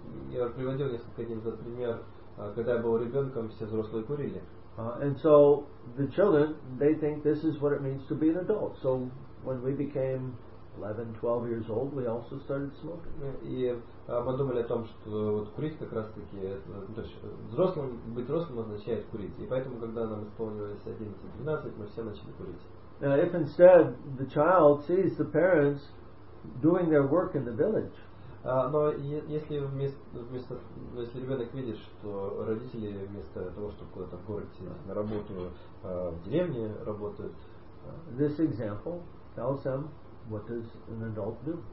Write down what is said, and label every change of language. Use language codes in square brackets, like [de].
[ru] Я приводил несколько дней назад пример. Когда я был ребенком, все взрослые курили. [en] And so the children, they think this is what it means to be an adult. So when we became 11, 12 years old, we also started smoking. [ru] И мы думали о том, что вот курить как раз-таки, то есть взрослым, быть взрослым означает курить. И поэтому, когда нам исполнилось 11-12, мы все начали курить. [en] Now, if instead the child sees the parents doing their work in the village. [ru] Но если если ребенок видит, что родители вместо того, чтобы куда-то в городе на работу, в деревне работают, [en] this example tells them what does an adult do.